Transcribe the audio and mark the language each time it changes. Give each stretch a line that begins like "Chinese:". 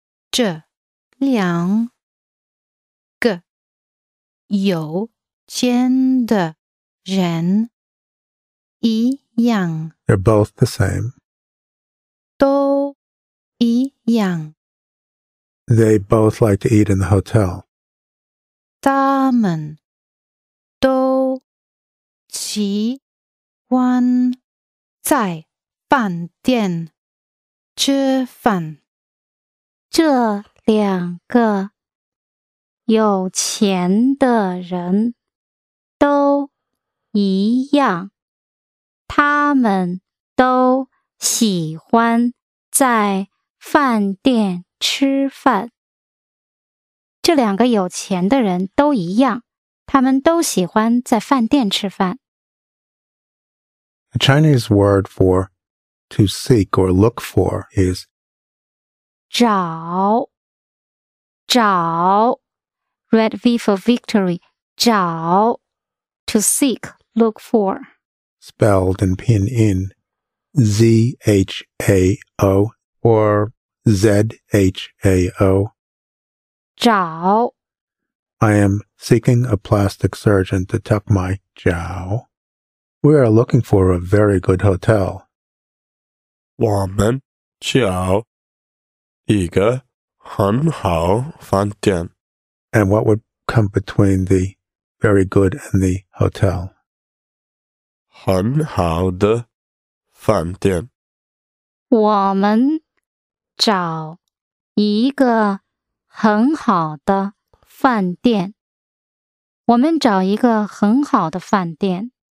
Chinese: 这两个有钱的人一样
English: They're both the same.
Chinese: 都一样
English: They both like to eat in the hotel.
Chinese: 他们都喜欢在饭店吃饭。这两个有钱的人都一样。他们都喜欢在饭店吃饭。这两个有钱的人都一样。他们都喜欢在饭店吃饭。
English: A Chinese word for to seek or look for is
Chinese: 找找
English: Red V for victory
Chinese: 找
English: To seek, look for Spelled and pinyin Z-H-A-O or Z-H-A-O
Chinese: 找
English: I am seeking a plastic surgeon to tuck my
Chinese: 脚
English: We are looking for a very good hotel.
Chinese: 我们找一个很好饭店。
English: And what would come between the very good and the hotel?
Chinese: 很好的饭店。我们找一个很好的饭店。我们找一个很好的饭店。